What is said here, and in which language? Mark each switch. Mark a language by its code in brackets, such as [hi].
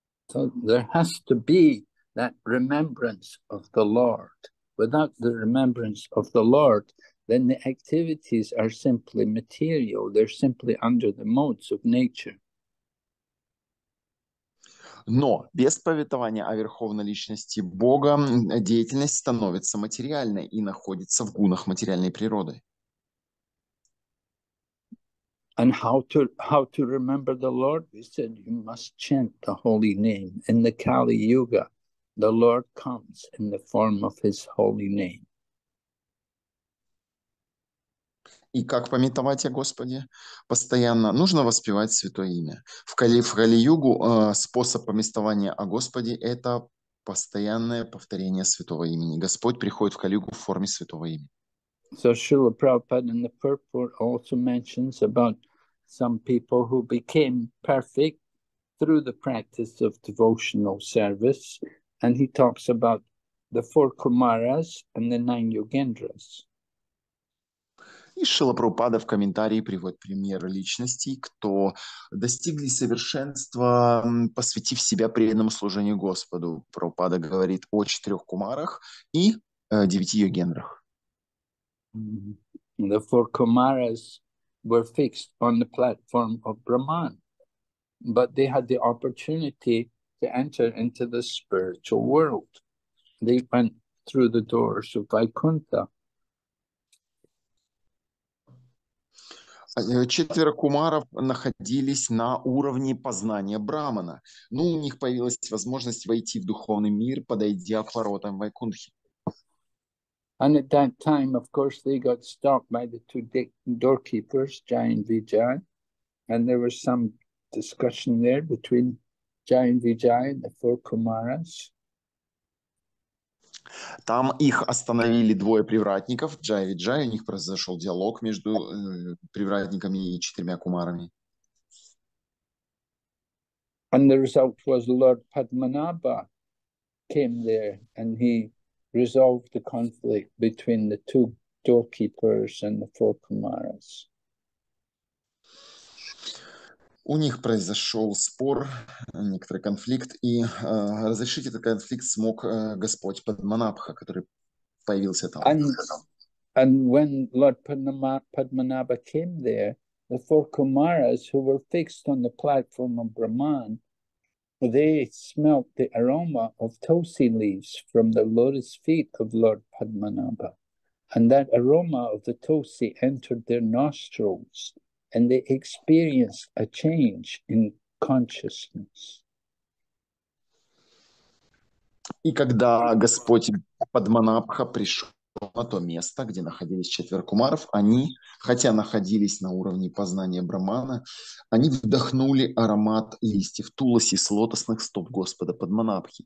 [en] So there has to be that remembrance of the Lord. Without the remembrance of the Lord, then the activities are simply material. They're simply under the modes of nature. [ru] Но без памятования о Верховной Личности Бога деятельность становится материальной и находится в гунах материальной природы. [en] And how to remember the Lord? We said you must chant the holy name. In the Kali Yuga, the Lord comes in the form of his holy name. [ru] И как памятовать о Господе? Постоянно нужно воспевать святое имя. В Кали-Югу способ памятования о Господе – это постоянное повторение святого имени. Господь приходит в Кали-Югу в форме святого имени. [en] So Srila Prabhupada in the purport also mentions about some people who became perfect through the practice of devotional service, and he talks about the four Kumaras and the nine Yogendras. [ru] И Шрила Прабхупада в комментарии приводит пример личностей, кто достигли совершенства, посвятив себя преданному служению Господу. Прабхупада говорит о четырех кумарах и девяти йогендрах. [en] The four Kumaras were fixed on the platform of Brahman, but they had the opportunity to enter into the spiritual world. They went through the doors of Vaikuntha. [ru] Четверо кумаров находились на уровне познания Брахмана. Но у них появилась возможность войти в духовный мир, подойдя к воротам Вайкунтхи. [en] And at that time, of course, they got stopped by the two doorkeepers, Jai and Vijay. And there was some discussion there between Jai and Vijay and the four Kumaras. [ru] Там их остановили двое привратников, Джай и Виджай, у них произошел диалог между привратниками и четырьмя кумарами. [en] And the result was Lord Padmanabha came there and he resolved the conflict between the two doorkeepers and the four Kumaras. [ru] У них произошел спор, некоторый конфликт, и разрешить этот конфликт смог Господь Падманабха, который появился там. [en] And when Lord Padmanabha came there, the four Kumaras, who were fixed on the platform of Brahman, they smelt the aroma of tulsi leaves from the lotus feet of Lord Padmanabha. And that aroma of the tulsi entered their nostrils, and they experienced a change in consciousness. [ru] И когда Господь Падманабха пришел на то место, где находились четверо кумаров, они, хотя находились на уровне познания Брахмана, они вдохнули аромат листьев туласи с лотосных стоп Господа Падманабхи.